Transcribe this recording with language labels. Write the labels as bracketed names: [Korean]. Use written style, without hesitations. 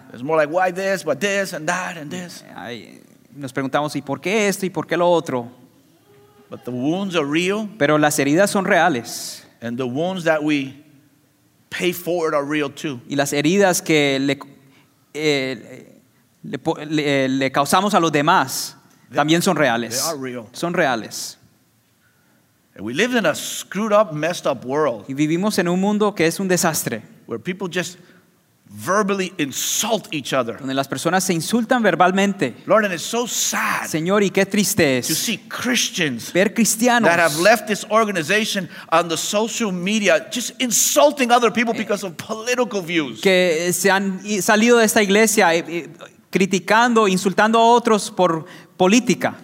[English] It's more like why this, but this, and that, and this. [Spanish] Nos preguntamos, ¿y por qué esto y por qué lo otro? [English] But the wounds are real. [Spanish] Pero las heridas son reales. [English] And the wounds that we pay forward are real too. [Spanish] Y las heridas que le causamos a los demás también son reales. [English] They are real. [Spanish] Son reales. [English] And we live in a screwed up, messed up world. [Spanish] Y vivimos en un mundo que es un desastre. [English] Where people just verbally insult each other. [Spanish] Donde las personas se insultan verbalmente. [English] Lord, and it's so sad. [Spanish] Señor, y qué triste es. [English] To see Christians. [Spanish] Ver cristianos. [English] That have left this organization on the social media just insulting other people because of political views. [Spanish] Que se han salido de esta iglesia criticando, insultando a otros por política.